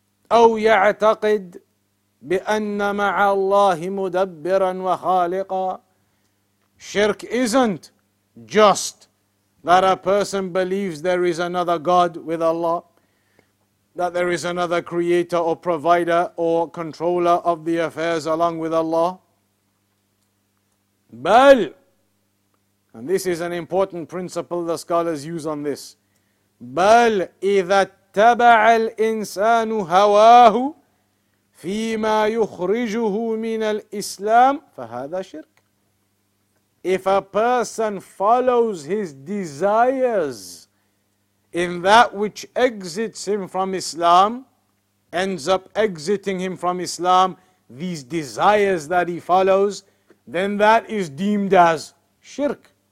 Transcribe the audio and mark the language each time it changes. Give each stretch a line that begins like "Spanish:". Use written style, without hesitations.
Arabic: أَوْ يَعْتَقِدْ بِأَنَّ مَعَ اللَّهِ مُدَبِّرًا وَخَالِقًا.
English: Shirk isn't just that a person believes there is another God with Allah, that there is another creator or provider or controller of the affairs along with Allah.
Arabic: بل,
English: and this is an important principle the scholars use on this,
Arabic: بل إذا اتبع الإنسان هواه فيما يخرجه من الإسلام فهذا شرك.
English: If a person follows his desires in that which exits him from Islam, ends up exiting him from Islam, these desires that he follows, then that is deemed as shirk.